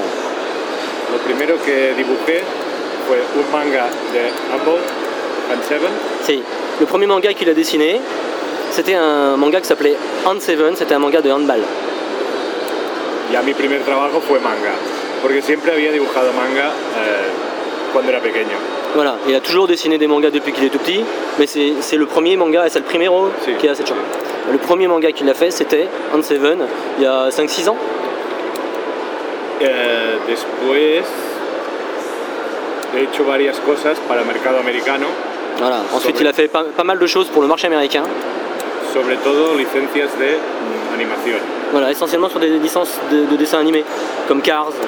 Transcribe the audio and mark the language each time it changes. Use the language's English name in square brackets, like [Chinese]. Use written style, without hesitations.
[Spanish] Lo primero que dibujé fue un manga de Humble and Seven. [French] Sí, le premier manga qu'il a dessiné, c'était un manga qui s'appelait Hand Seven, c'était un manga de handball. [Spanish] Y a mi primer trabajo fue manga, porque siempre había dibujado manga cuando era pequeño. [French] Voilà, il a toujours dessiné des mangas depuis qu'il est tout petit, mais c'est le premier manga, c'est le primero [Spanish] sí, [French] qui a cette chance. Sí. Le premier manga qu'il a fait, c'était Hand Seven, il y a 5-6 ans. [Spanish] Después he hecho varias cosas para el mercado americano. [French] Voilà, ensuite il a fait pas mal de choses pour le marché américain. [Spanish] Sobre todo licencias de animación. [French] Voilà, essentiellement sur des licences de dessins animés, comme Cars.